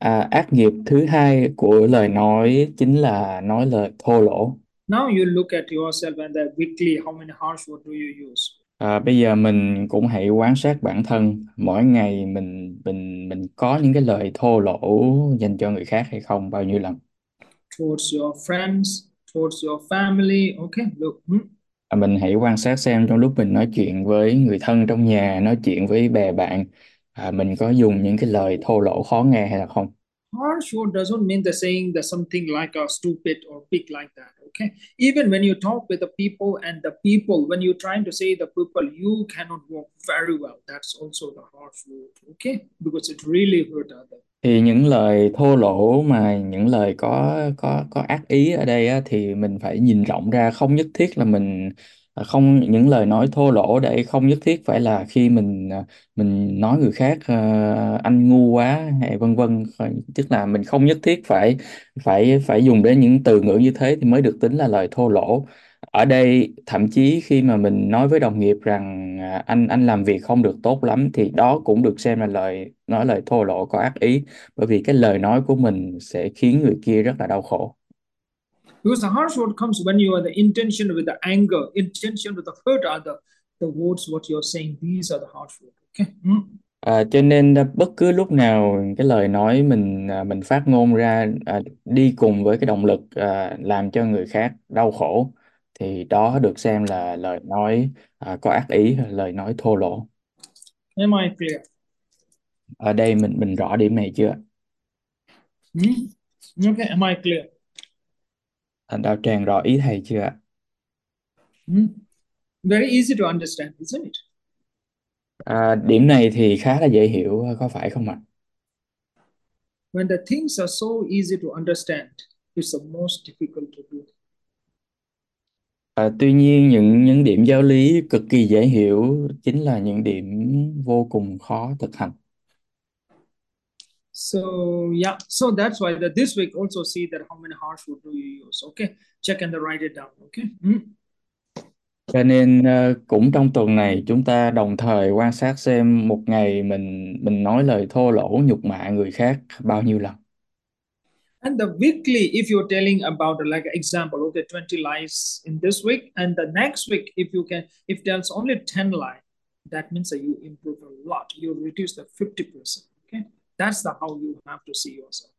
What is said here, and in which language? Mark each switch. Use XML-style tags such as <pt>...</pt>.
<vi>Ác nghiệp thứ hai của lời nói chính là nói lời thô lỗ.</vi> <en>Now you look at yourself and the weekly, how many harsh words do you use?</en> <vi>Bây giờ mình cũng hãy quan sát bản thân, mỗi ngày mình có những cái lời thô lỗ dành cho người khác hay không, bao nhiêu lần?</vi> <en>Towards your friends, towards your family. Okay, look.</en> <vi>Mình hãy quan sát xem trong lúc mình nói chuyện với người thân trong nhà, nói chuyện với bè bạn, mình có dùng những cái lời thô lỗ khó nghe hay là không?</vi> <en>Harsh word doesn't mean the saying that something like a stupid or pig like that. Okay, even when you talk with the people and the people, when you're trying to say the people, you cannot work very well. That's also the harsh word. Okay, because it really hurt others.</en> <vi>Thì những lời thô lỗ mà những lời có ác ý ở đây á, thì mình phải nhìn rộng ra, không nhất thiết là mình không những lời nói thô lỗ đây không nhất thiết phải là khi mình nói người khác anh ngu quá hay vân vân, tức là mình không nhất thiết phải phải phải dùng đến những từ ngữ như thế thì mới được tính là lời thô lỗ. Ở đây thậm chí khi mà mình nói với đồng nghiệp rằng anh làm việc không được tốt lắm thì đó cũng được xem là lời nói lời thô lỗ có ác ý, bởi vì cái lời nói của mình sẽ khiến người kia rất là đau khổ.</vi> <en>Because the harsh word comes when you are the intention with the anger, intention with the hurt other, the words what you're saying, these are the harsh words. Okay.</en> <vi>Cho nên bất cứ lúc nào cái lời nói mình phát ngôn ra đi cùng với cái động lực làm cho người khác đau khổ thì đó được xem là lời nói có ác ý, lời nói thô lỗ.</vi> <en>Am I</en> <vi>Ở đây mình rõ điểm này chưa?</vi> <en>Okay, am I clear?</en> <vi>Anh Đạo Tràng rõ ý thầy chưa ạ?</vi> <en>Very easy to understand, isn't it?</en> <vi>Điểm này thì khá là dễ hiểu, có phải không ạ?</vi> <en>When the things are so easy to understand, it's the most difficult to do.</en> <vi>Tuy nhiên những điểm giáo lý cực kỳ dễ hiểu chính là những điểm vô cùng khó thực hành.</vi> <en>So that's why that this week also see that how many harsh words do you use. Okay, check and write it down. Okay.</en> <vi>Cho nên cũng trong tuần này chúng ta đồng thời quan sát xem một ngày mình nói lời thô lỗ nhục mạ người khác bao nhiêu lần.</vi> <en>And the weekly, if you're telling about like example, okay, 20 lies in this week, and the next week, if tells only 10 lie, that means that you improve a lot. You reduce the 50%. Okay, that's the how you have to see yourself.</en>